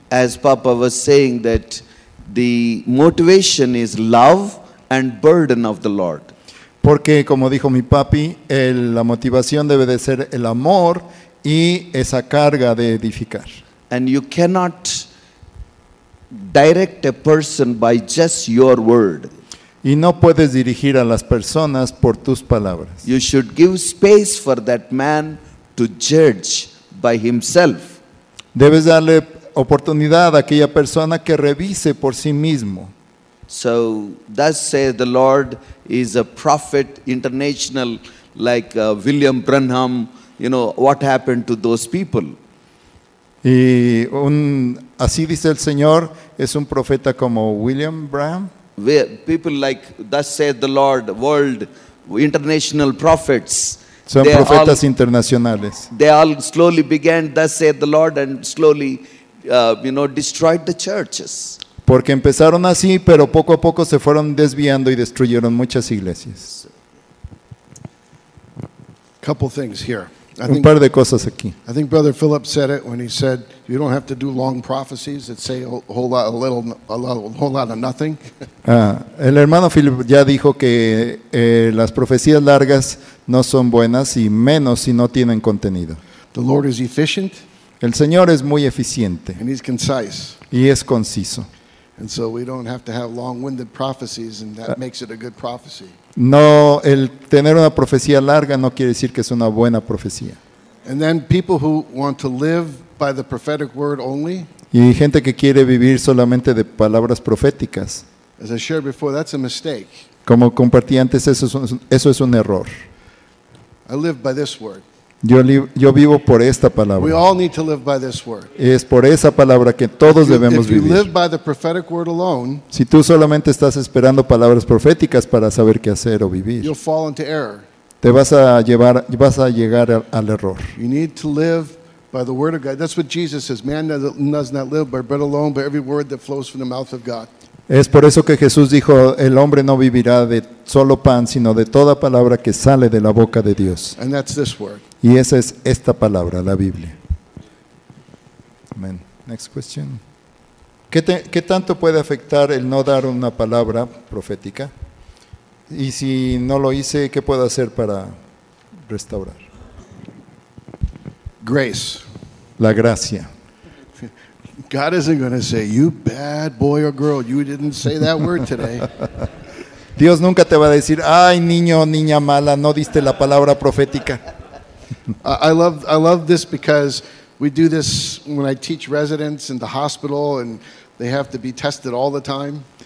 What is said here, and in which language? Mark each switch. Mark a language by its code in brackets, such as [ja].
[en] As Papa was saying that the motivation is love and burden of the Lord. [es] Porque como dijo mi papi, la motivación debe de ser el amor y esa carga de edificar. [en] And you cannot direct a person by just your word. [es] Y no puedes dirigir a las personas por tus palabras. [en] You should give space for that man to judge by himself. [es] Debes darle oportunidad a aquella persona que revise por sí mismo. [en] So thus says the Lord is a prophet international, like William Branham. You know what happened to those people. [es] Y así dice el Señor es un profeta como William Branham. [en] People like thus says the Lord, world international prophets. [es] Son profetas internacionales. [en] They all slowly began thus says the Lord and slowly destroyed the churches. [es] Porque empezaron así, pero poco a poco se fueron desviando y destruyeron muchas iglesias. [en] Couple things here. [es] Par de cosas aquí. [en] I think Brother Philip said it when he said you don't have to do long prophecies that say a whole lot of nothing. [es] El hermano Philip ya dijo que las profecías largas no son buenas y menos si no tienen contenido. [en] The Lord is efficient. [es] El Señor es muy eficiente. [en] And he's concise. [es] Y es conciso. [en] And so we don't have to have long-winded prophecies, and that makes it a good prophecy. [es] No, el tener una profecía larga no quiere decir que es una buena profecía. [en] And then people who want to live by the prophetic word only. [es] Y hay gente que quiere vivir solamente de palabras proféticas. [en] As I shared before, that's a mistake. [es] Como compartí antes, eso es un error. [en] I live by this word. [es] Yo vivo por esta palabra. [en] We all need to live by this word. [es] Es por esa palabra que todos debemos vivir. [en] If you live by the prophetic word alone, [es] si tú solamente estás esperando palabras proféticas para saber qué hacer o vivir, [en] you'll fall into error. [es] Te vas a llegar al error. [en] You need to live by the word of God. That's what Jesus says. Man does not live by bread alone, but every word that flows from the mouth of God. [es] Es por eso que Jesús dijo, el hombre no vivirá de solo pan, sino de toda palabra que sale de la boca de Dios. [en] And that's this word. [es] Y esa es esta palabra, la Biblia. Amen. [en] Next question. [es] ¿Qué tanto puede afectar el no dar una palabra profética? Y si no lo hice, ¿qué puedo hacer para restaurar? [en] Grace. [es] La gracia. [en] God isn't going to say, you bad boy or girl, you didn't say that word today. [es] Dios nunca te va a decir, ay, niño o niña mala, no diste la palabra profética. [en] I love this because we do this when I teach residents in the hospital and they have to be tested all the time.